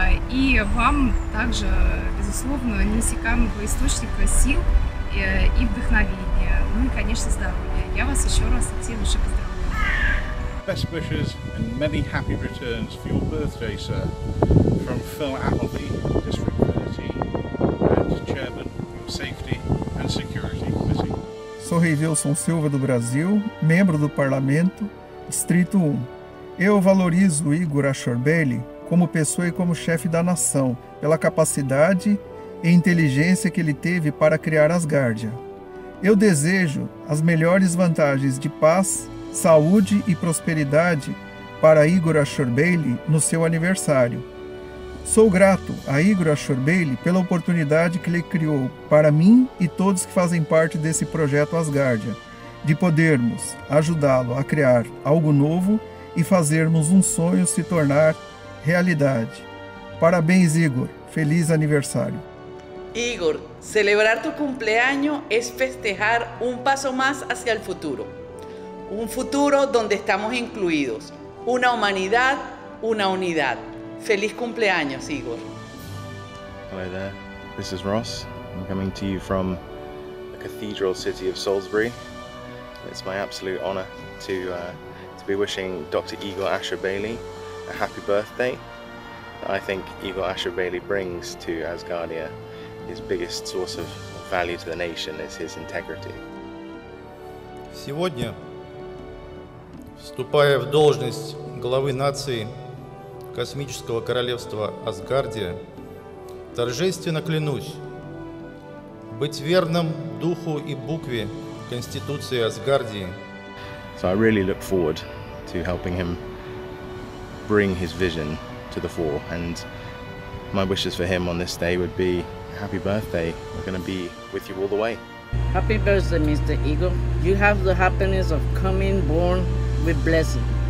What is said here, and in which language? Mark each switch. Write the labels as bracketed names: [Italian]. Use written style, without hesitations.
[Russian] И вам также, безусловно, неиссякаемого источника сил и вдохновения, ну и, конечно, здоровья. Я вас еще раз от всей души поздравляю. [English] Best wishes and many happy returns for your birthday, sir, from Phil Appleby, District 30, and Chairman of Safety and Security Committee. [Portuguese] Sou Reivelson Silva do Brasil, membro do Parlamento, Distrito 1. Eu valorizo o Igor Asher Bailey como pessoa e como chefe da nação, pela capacidade e inteligência que ele teve para criar Asgardia. Eu desejo as melhores vantagens de paz, saúde e prosperidade para Igor Asher Bailey no seu aniversário. Sou grato a Igor Asher Bailey pela oportunidade que ele criou para mim e todos que fazem parte desse projeto Asgardia, de podermos ajudá-lo a criar algo novo e fazermos um sonho se tornar realidade. Parabéns, Igor. Feliz aniversário. [Spanish] Igor, celebrar tu cumpleaños es festejar un paso más hacia el futuro. Un futuro donde estamos incluidos. Una humanidad, una unidad. Feliz cumpleaños, Igor. [English] Hello there. This is Ross. I'm coming to you from the cathedral city of Salisbury. It's my absolute honor to be wishing Dr. Igor Asher Bailey a happy birthday. I think Igor Asher Bailey brings to Asgardia his biggest source of value to the nation is his integrity. [Russian] Сегодня, вступая в должность главы нации космического королевства Асгардия, торжественно клянусь быть верным духу и букве Конституции Асгардии. [English] So I really look forward to helping him bring his vision to the fore, and my wishes for him on this day would be happy birthday. We're going to be with you all the way. Happy birthday, Mr. Eagle. You have the happiness of coming born with blessing.